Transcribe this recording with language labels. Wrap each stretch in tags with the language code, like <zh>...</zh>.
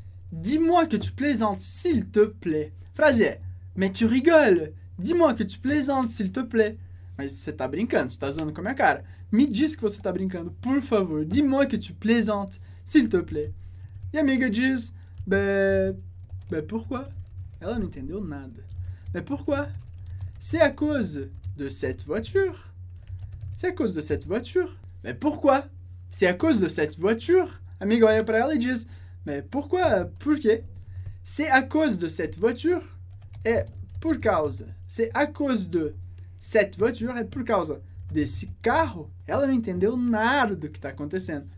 <fr>Dis-moi que tu plaisantes, s'il te plaît.</fr> <pt>Frase é,</pt> <fr>mais tu rigoles. Dis-moi que tu plaisantes, s'il te plaît.</fr> <pt>Mas você tá brincando, você tá zoando com a minha cara. Me diz que você tá brincando, por favor.</pt> <fr>Dis-moi que tu plaisantes, s'il te plaît.</fr> <pt>E a amiga diz,</pt> <fr>ben, pourquoi?</fr> <pt>Ela não entendeu nada.</pt> <fr>Mais pourquoi? C'est à cause de cette voiture. C'est à cause de cette voiture. Mais pourquoi? C'est à cause de cette voiture.</fr> <pt>A amiga olha pra ela e diz,</pt> <fr>mais pourquoi?</fr> <pt>Por quê?</pt> <fr>C'est à cause de cette voiture.</fr> <pt>É por causa.</pt> <fr>C'est à cause de cette voiture.</fr> <pt>É por causa desse carro. Ela não entendeu nada do que tá acontecendo.</pt>